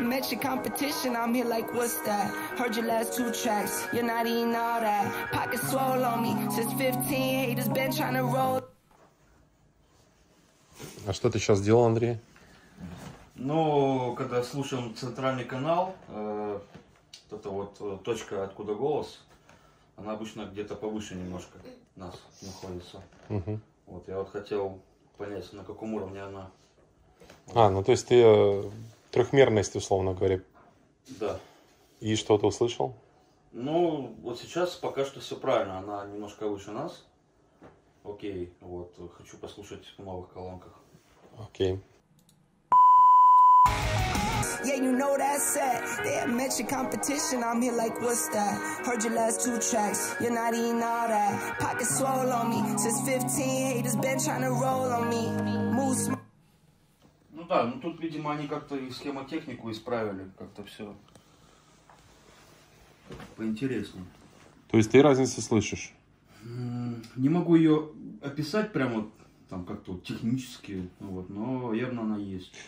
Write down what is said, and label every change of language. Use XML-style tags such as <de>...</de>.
<en>Your competition, I'm here like, what's that? Heard your last two tracks, you're not eating all that. Pockets swole on me, since 15, haters been trying to roll.</en> <ru>А что ты сейчас делал, Андрей? Ну, когда слушаем центральный канал, это вот точка, откуда голос, она обычно где-то повыше немножко нас находится. Угу. Вот, я вот хотел понять, на каком уровне она. А, ну то есть ты трехмерность, условно говоря. Да. И что ты услышал? Ну, вот сейчас пока что все правильно, она немножко выше нас. Окей, вот, хочу послушать в новых колонках.</ru> <en>Okay. Yeah, you know that set. They had mentioned competition. I'm here like, what's that? Heard your last two tracks. You're not eating all that. Pockets swole on me. Since 15, haters been trying to roll on me. Moose.</en> <ru>Ну да, ну тут, видимо, они как-то и схемотехнику исправили. Как-то все поинтереснее. То есть ты разницу слышишь? Не могу ее описать прямо там как-то технически, вот, но явно она есть.</ru>